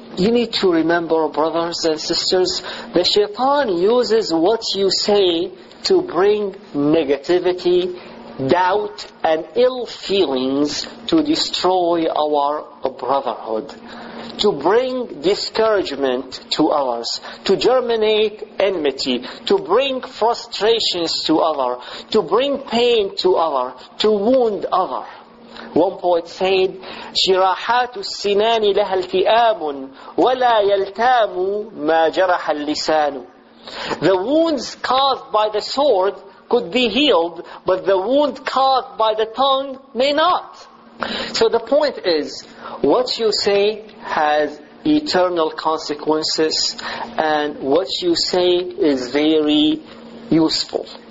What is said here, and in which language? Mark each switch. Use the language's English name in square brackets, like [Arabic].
[English] You need to remember, brothers and sisters, the shaitan uses what you say to bring negativity, doubt, and ill feelings to destroy our brotherhood, to bring discouragement to others, to germinate enmity, to bring frustrations to others, to bring pain to others, to wound others. One poet said, [Arabic] جراحات السنان لها التئام ولا يلتام ما جرح اللسان. [English] The wounds caused by the sword could be healed, but the wound caused by the tongue may not. So the point is, what you say has eternal consequences, and what you say is very useful.